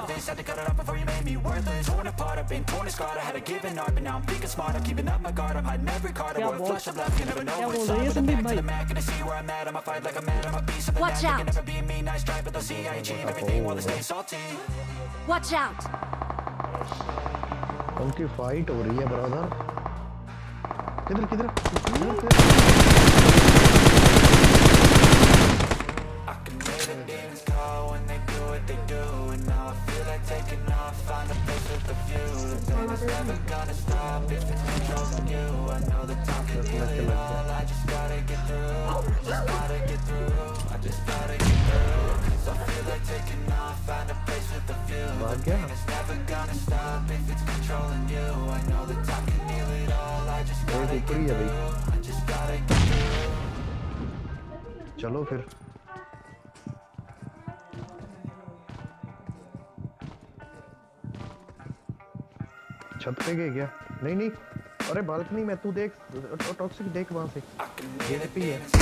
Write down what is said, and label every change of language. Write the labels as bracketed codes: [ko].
[en] Had to cut it off before you made me worthless. Torn apart, I've been torn and scarred. I had a given art, but now I'm thinking smart. I'm keeping up my guard, I'm hiding every card. I'm a flush of love, you never know what's up. I'm back to the mat, gonna see where I'm at. I'ma fight like I'm mad, I'ma be something mad. They can never be me, nice try, but they'll see I achieve everything while they stay salty. Watch out! [hi] Unki fight हो रही है, brother. Kidhar kidhar [en] I can hear the demons call when they do what they do. And now I feel like taking off, find a place with a view. The pain is never gonna stop if it's me chosen you. I know the time can heal it all. I just gotta get through, I just gotta get through, I just gotta get through. Cause I feel like taking off, find a place with a view. The pain is never gonna stop if it's controlling you. I know the time can heal it. [hi] चलो फिर छत पे गए क्या? नहीं नहीं, अरे balcony में तू देख, टॉक्सिक देख वहां से.